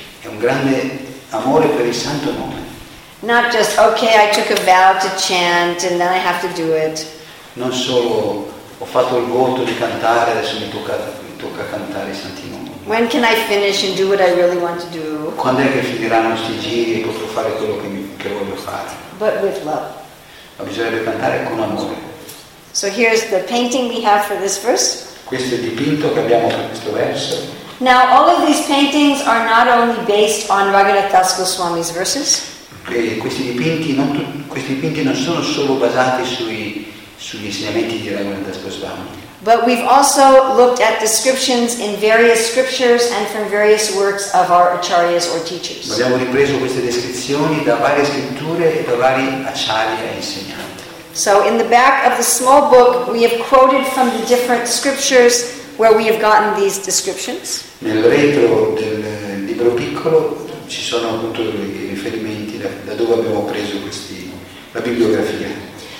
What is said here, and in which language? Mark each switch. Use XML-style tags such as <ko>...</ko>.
<it>E un grande amore per il santo nome.</it> <en>Not just okay, I took a vow to chant and then I have to do it.</en> <it>Non solo ho fatto il voto di cantare, adesso mi tocca cantare i santi nomi.</it> <en>When can I finish and do what I really want to do?</en> <it>Quando è che finiranno questi giri e posso fare quello che voglio fare?</it> <en>But with love.</en> <it>Ma bisogna cantare con amore.</it> <en>So here's the painting we have for this verse.</en> <it>Questo è il dipinto che abbiamo per questo verso.</it> <en>Now all of these paintings are not only based on Raghunath Das Goswami's verses.</en> <it>Okay, questi dipinti non sono solo basati sugli insegnamenti di Raghunath Das Goswami.</it> <en>But we've also looked at descriptions in various scriptures and from various works of our acharyas or teachers.</en> <it>Abbiamo ripreso queste descrizioni da varie scritture e da vari acharya e insegnanti.</it> <en>So in the back of the small book we have quoted from the different scriptures where we have gotten these descriptions.</en> <it>Nel retro del libro piccolo ci sono appunto i riferimenti da dove abbiamo preso questi, la bibliografia.</it>